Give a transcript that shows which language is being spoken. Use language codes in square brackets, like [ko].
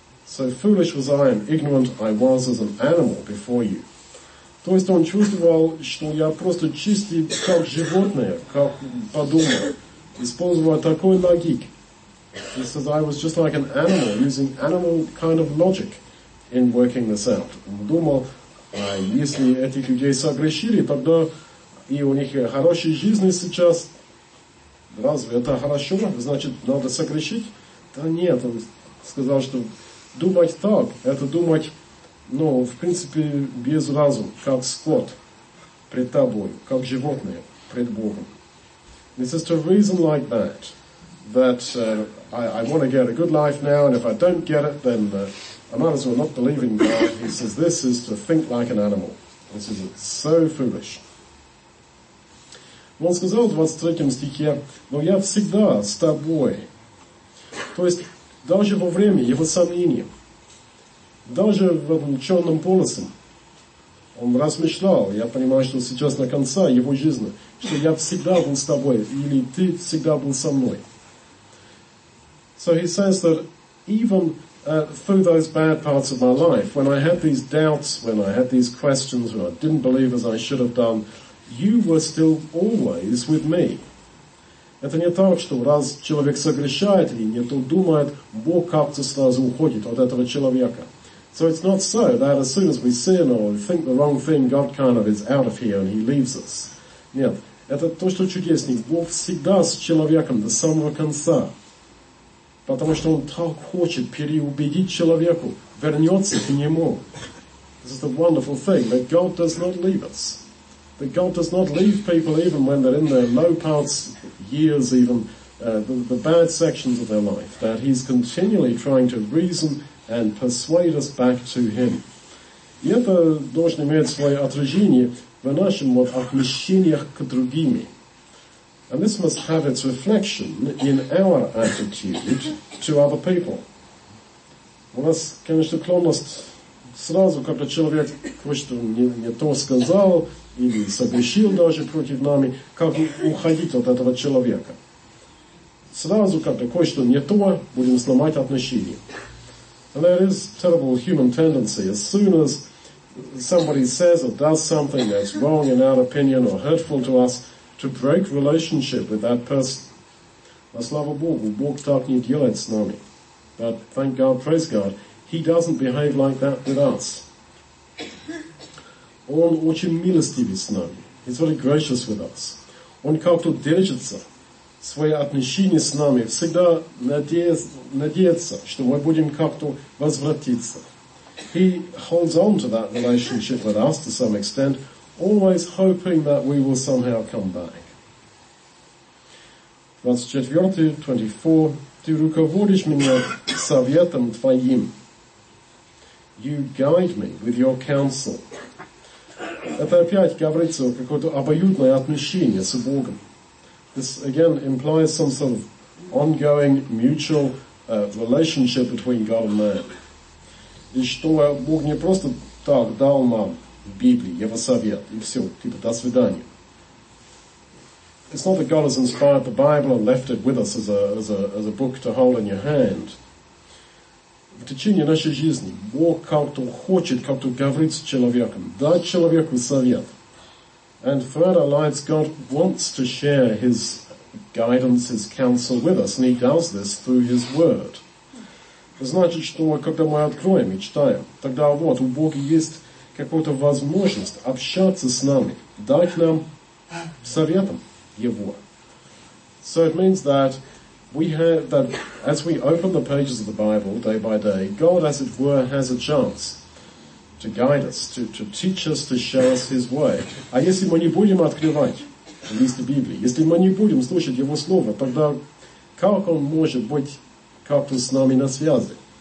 [en] So foolish was I and ignorant I was as an animal before you. [ru] То есть он чувствовал, что я просто чистый, как животное, как подумал, использовал такой логик. [en] He says, I was just like an animal, using animal kind of logic in working this out. [ru] Он думал, а если этих людей согрешили, тогда и у них хорошая жизнь сейчас, разве это хорошо? Значит, надо согрешить? Да нет, он сказал, что думать так, это думать, ну, в принципе, без разума, как скот пред тобой, как животное пред Богом. [en] He says, to reason like that, that I want to get a good life now, and if I don't get it, then I might as well not believe in God. He says, this is to think like an animal. This is so foolish. [ru] Он сказал в 23 стихе, но я всегда с тобой. То есть, даже во время его сомнения, даже в этом черном полосе, он размышлял, я понимаю, что сейчас на конце его жизни, что я всегда был с тобой, или ты всегда был со мной. [en] So he says that even through those bad parts of my life, when I had these doubts, when I had these questions, when I didn't believe as I should have done, you were still always with me. [ru] Это не так, что раз человек согрешает или не то думает, Бог как-то сразу уходит от этого человека. [en] So it's not so that as soon as we sin or think the wrong thing, God kind of is out of here and he leaves us. [ru] Нет, это то, что чудесно. Бог всегда с человеком до самого конца. Потому что он так хочет переубедить человеку, вернется к нему. [en] This is the wonderful thing, that God does not leave us. That God does not leave people even when they're in their low parts, years even, the bad sections of their life. That he's continually trying to reason and persuade us back to him. [ru] И это должно иметь свое отражение в нашем вот отношениях к другим. [en] And this must have its reflection in our attitude to other people. [ru] У нас, конечно, склонность сразу, когда человек кое-что не то сказал, или согрешил даже против нами, как уходить от этого человека. Сразу, когда кое-что не то, будем сломать отношения. [en] And there is terrible human tendency. As soon as somebody says or does something that's wrong in our opinion or hurtful to us, to break relationship with that person. [ru] Но слава Богу, Бог так не делает с нами. [en] But thank God, praise God, he doesn't behave like that with us. [ru] Он очень милостивый с нами. [en] He's very gracious with us. [ru] Он как-то держится свои отношения с нами, всегда надеется, что мы будем как-то возвратиться. [en] He holds on to that relationship with us to some extent, always hoping that we will somehow come back. [ru] 24, ты руководишь меня советом твоим. [en] You guide me with your counsel. [ru] Это опять говорится о какой-то обоюдной отношении с Богом. [en] This again implies some sort of ongoing mutual relationship between God and man. [ru] И что Бог не просто так дал нам Библии, его совет, и все, типа, до свидания. [en] It's not that God has inspired the Bible and left it with us as a book to hold in your hand. [ru] В течение нашей жизни Бог как-то хочет, как-то говорит с человеком, дать человеку совет. [en] And throughout our lives, God wants to share his guidance, his counsel with us, and he does this through his word. [ru] Это значит, что когда мы откроем и читаем, тогда вот, у Бога есть какую-то возможность общаться с нами, дать нам советом Его. [en] So it means that we have that as we open the pages of the Bible day by day, God, as it were, has a chance to guide us, to teach us, to show us His way. [ru] А если мы не будем открывать лист Библии, если мы не будем слушать Его Слово, тогда как Он может быть как-то с нами на связи?